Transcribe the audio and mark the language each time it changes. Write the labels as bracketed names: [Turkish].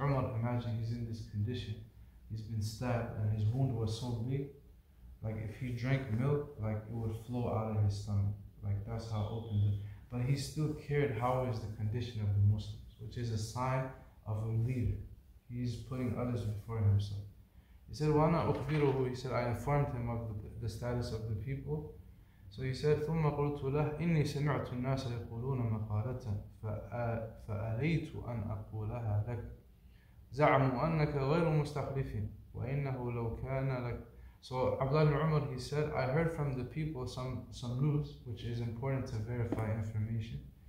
[English] Umar, imagine, he's in this condition. He's been stabbed and his wound was so big, like if he drank milk, like it would flow out of his stomach. Like that's how open it. But he still cared how is the condition of the Muslims, which is a sign of a leader. He's putting others before himself. He said, [Arabic] وَأَنَا أُخْبِرُهُ. [English] He said, I informed him of the status of the people. So he said, [Arabic] ثُمَّ قُلْتُ لَهُ إِنِّي سَمِعْتُ النَّاسَ يَقُولُونَ مَقَالَةً فَأَرَيْتُ أَنْ أَقُولَهَا لَكَ. زَعْمُ أَنَّكَ غَيْرُ مُسْتَخْلِفٍ وَإِنَّهُ لَوْ كَانَ لَكَ. [English] So Abdullah ibn Umar, he said, I heard from the people some news, which is important to verify information.